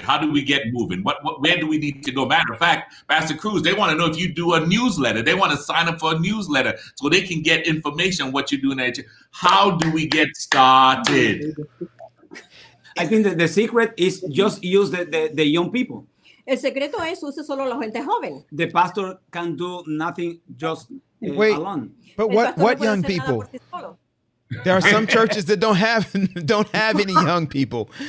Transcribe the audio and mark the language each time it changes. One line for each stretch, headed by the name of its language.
English: How do we get moving? What where do we need to go? Matter of fact, Pastor Cruz, they want to know if you do a newsletter. They want to sign up for a newsletter so they can get information on what you're doing at your, how do we get started? I think that the secret is just use the young people.
Spanish: El secreto es use solo la gente joven.
English: The pastor can do nothing just wait, alone. But what no young people? There are some churches that don't have any young people.